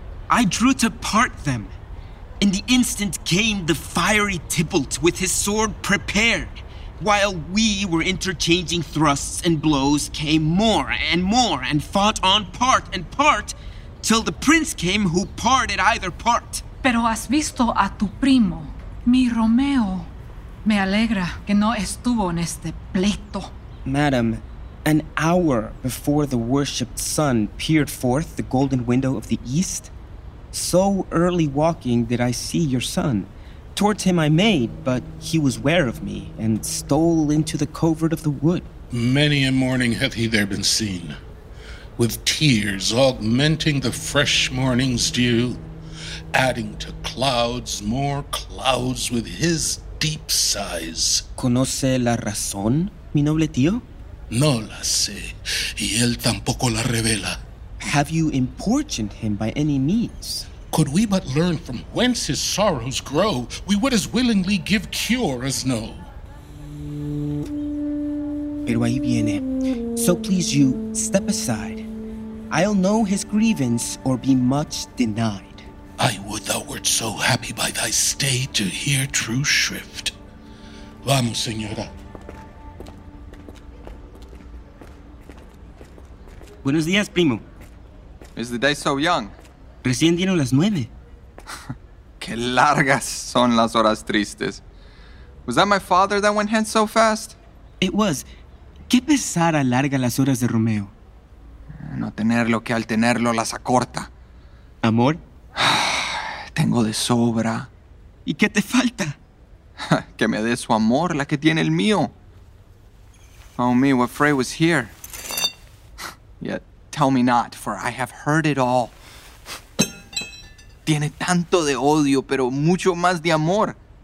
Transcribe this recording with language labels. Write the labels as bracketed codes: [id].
[en] I drew to part them. In the instant came the fiery Tybalt with his sword prepared. While we were interchanging thrusts and blows, came more and more and fought on part and part, till the prince came who parted either part. [es] Pero has visto a tu primo, mi Romeo. Me alegra que no estuvo en este pleito. [en] Madam, an hour before the worshipped sun peered forth the golden window of the east, so early walking did I see your son. Towards him I made, but he was ware of me, and stole into the covert of the wood. Many a morning hath he there been seen, with tears augmenting the fresh morning's dew, adding to clouds more clouds with his deep sighs. [es] ¿Conoce la razón, mi noble tío? No la sé, y él tampoco la revela. [en] Have you importuned him by any means? Could we but learn from whence his sorrows grow, we would as willingly give cure as know. [es] Pero ahí viene. [en] So please you, step aside. I'll know his grievance or be much denied. I would thou wert so happy by thy stay to hear true shrift. [es] Vamos, señora. Buenos días, primo. [en] Is the day so young? [es] Recién dieron las 9. Qué largas son las horas tristes. [en] Was that my father that went hence so fast? It was. [es] Qué pesar alarga las horas de Romeo. No tenerlo que al tenerlo las acorta. Amor. Tengo de sobra. ¿Y qué te falta? Que me dé su amor, la que tiene el mío. [en] Oh me, what fray was here? Yet tell me not, for I have heard it all. [es] Tiene tanto de odio, pero mucho más de amor.